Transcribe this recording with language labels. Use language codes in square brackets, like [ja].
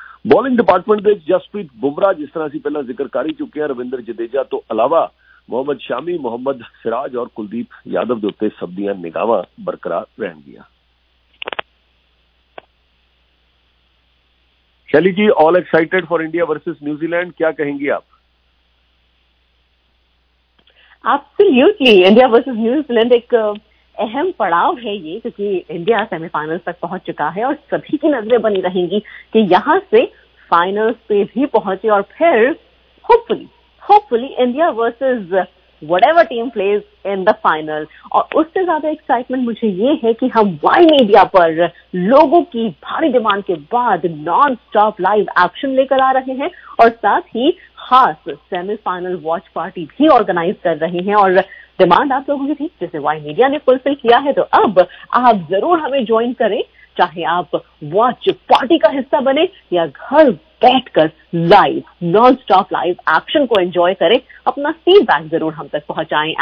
[pa] Bowling department ਦੇ ਜਸਪ੍ਰੀਤ ਬੁਮਰਾਹ, ਜਿਸ ਤਰ੍ਹਾਂ ਅਸੀਂ ਪਹਿਲਾਂ ਜ਼ਿਕਰ ਕਰ ਹੀ ਚੁੱਕੇ ਹਾਂ, ਰਵਿੰਦਰ ਜਡੇਜਾ ਤੋਂ ਇਲਾਵਾ ਮੁਹੰਮਦ ਸ਼ਾਮੀ, ਮੁਹੰਮਦ ਸਿਰਾਜ ਔਰ ਕੁਲਦੀਪ ਯਾਦਵ ਦੇ ਉੱਤੇ ਸਭ ਦੀਆਂ ਨਿਗਾਹਾਂ ਬਰਕਰਾਰ ਰਹਿਣਗੀਆਂ। [en] Shelly ji, all excited for India versus New Zealand, [hi] ਕਿਆ ਕਹੇਂਗੇ ਆਪ? [en] Absolutely, India versus New Zealand. [hi] अहम पड़ाव है ये, क्योंकि इंडिया सेमीफाइनल तक पहुंच चुका है और सभी की नजरें बनी रहेंगी कि यहां से फाइनल्स पे भी पहुंचे और फिर [en] Hopefully India versus whatever team plays in the final. [hi] और उससे ज्यादा एक्साइटमेंट मुझे ये है कि हम वाई मीडिया पर लोगों की भारी डिमांड के बाद नॉन स्टॉप लाइव एक्शन लेकर आ रहे हैं और साथ ही खास सेमीफाइनल वॉच पार्टी भी ऑर्गेनाइज कर रहे हैं और डिमांड आप लोगों की थी जिसे वाई मीडिया ने फुलफिल किया है। तो अब आप जरूर हमें ज्वाइन करें, चाहे आप वॉच पार्टी का हिस्सा बने या घर बैठकर live non stop live action को एंजॉय करें, अपना फीडबैक जरूर हम तक पहुंचाएं।